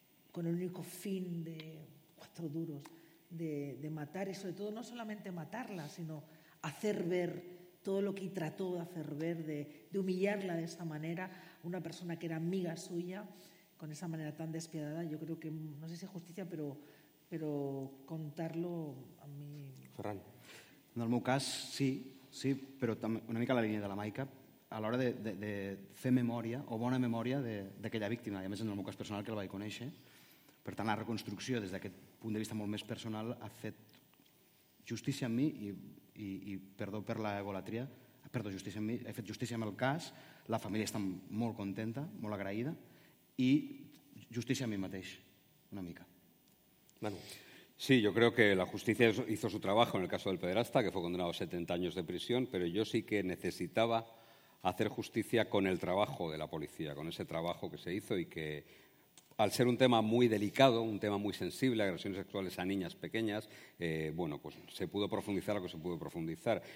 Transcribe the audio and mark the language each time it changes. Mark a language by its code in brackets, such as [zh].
[es] con el único fin de cuatro duros, de matar y sobre todo no solamente matarla, sino hacer ver todo lo que trató de hacer ver, de humillarla de esa manera, una persona que era amiga suya, con esa manera tan despiadada, yo creo que, no sé si es justicia, pero contarlo a mi... Ferran. [ca] En el meu cas, sí, però una mica a la línia de la Maika, a l'hora de fer memòria o bona memòria d'aquella víctima, i a més en el meu cas personal que la vaig conèixer, per tant la reconstrucció des d'aquest punt de vista molt més personal ha fet justícia amb mi i perdó per la egolatria, perdó justícia amb mi, he fet justícia amb el cas, la família està molt contenta, molt agraïda, i justícia amb mi mateix, una mica. Manu. [es] Sí, yo creo que la justicia hizo su trabajo en el caso del pederasta, que fue condenado a 70 años de prisión, pero yo sí que necesitaba hacer justicia con el trabajo de la policía, con ese trabajo que se hizo y que, al ser un tema muy delicado, un tema muy sensible, agresiones sexuales a niñas pequeñas, bueno, pues se pudo profundizar lo que se pudo profundizar.